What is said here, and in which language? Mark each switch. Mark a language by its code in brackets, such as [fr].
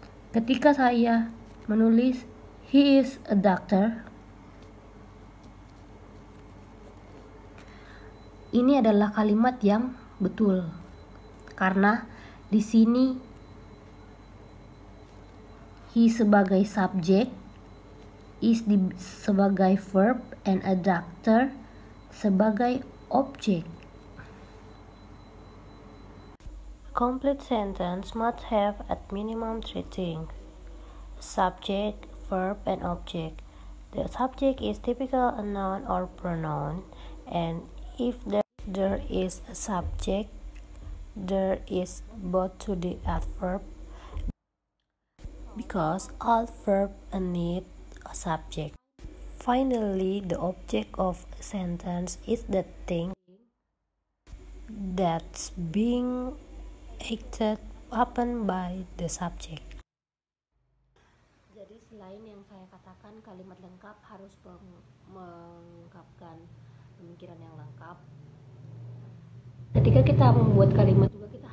[id] Ketika saya menulis [en] he is a doctor, [id] ini adalah kalimat yang betul karena di sini he sebagai subjek, is sebagai verb, [en] and a doctor [id] sebagai objek. [en] Complete sentence must have at minimum three things: subject, verb, and object. The subject is typically a noun or pronoun, and if there is a subject, there is both to the adverb, because adverb need a subject. Finally, the object of sentence is the thing that's being acted upon by the subject. [id] Jadi selain yang saya katakan kalimat lengkap harus mengungkapkan pemikiran yang lengkap, ketika kita membuat kalimat juga